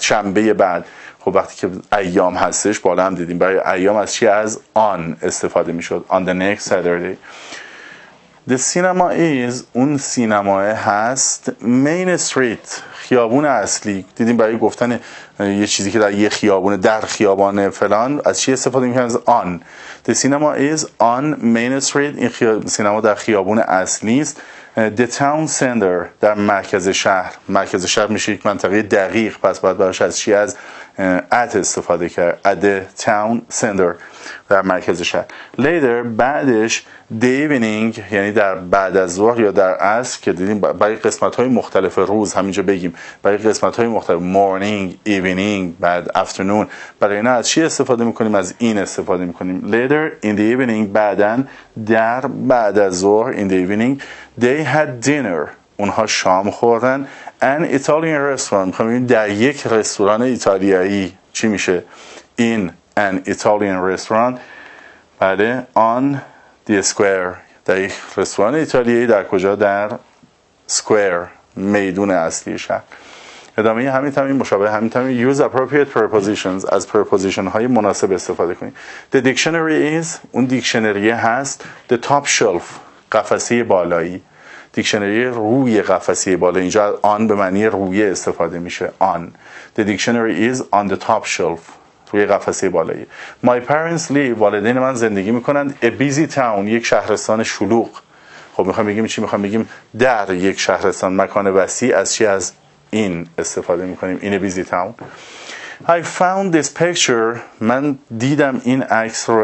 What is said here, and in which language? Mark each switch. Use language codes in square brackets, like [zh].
[fa] شنبه بعد، خب وقتی که ایام هستش بالا هم دیدیم، برای ایام از چی؟ از on استفاده میشد، [en] on the next Saturday. The cinema is، [fa] اون سینما هست. [en] Main street، [fa] خیابون اصلی. دیدیم برای گفتن یه چیزی که در یه خیابون، در خیابان فلان، از چی استفاده می‌کنیم؟ از on. [en] The cinema is on main street. [fa] این سینما در خیابون اصلی است. [en] The town center، [fa] در مرکز شهر. مرکز شهر میشه یک منطقه دقیق، پس باید براش از چی؟ از at استفاده کرد. [en] At the town center، [fa] در مرکز شهر. Later، بعدش. [en] The evening، [fa] یعنی در بعد از ظهر یا در عصر، که دیدیم برای قسمت‌های مختلف روز، همینجا بگیم برای قسمت‌های مختلف، morning، evening، بعد afternoon، برای اینا از چی استفاده می‌کنیم؟ از این استفاده می‌کنیم. [en] Later in the evening، [fa] بعدن، در بعد از ظهر، [en] in the evening، they had dinner، [fa] اونها شام خوردن. [en] An Italian restaurant، [fa] می‌خوام بگیم در یک رستوران ایتالیایی چی میشه؟ [en] In an Italian restaurant. [fa] بعد [en] on the square، [fa] در یک رستوران ایتالیایی. در کجا؟ در square، میدون اصلی شهر. ادامه همین تمرین، مشابه همین تمرین، [en] use appropriate prepositions، [fa] از preposition های مناسب استفاده کنید. [en] The dictionary is، [fa] اون دیکشنری هست. [en] The top shelf، [fa] قفسه بالایی. دیکشنری روی قفسه بالایی، اینجا on به معنی روی استفاده میشه. [en] On، the dictionary is on the top shelf، [fa] روی قفسه بالایی. [en] My parents live، [fa] والدین من زندگی میکنند. [en] A busy town، [fa] یک شهرستان شلوغ. خب میخوام بگیم چی؟ میخوام بگیم در یک شهرستان مکان وسیع از چی؟ از این استفاده میکنیم، این بیزی تاون. [en] I found this picture. [fa] من دیدم این عکس رو.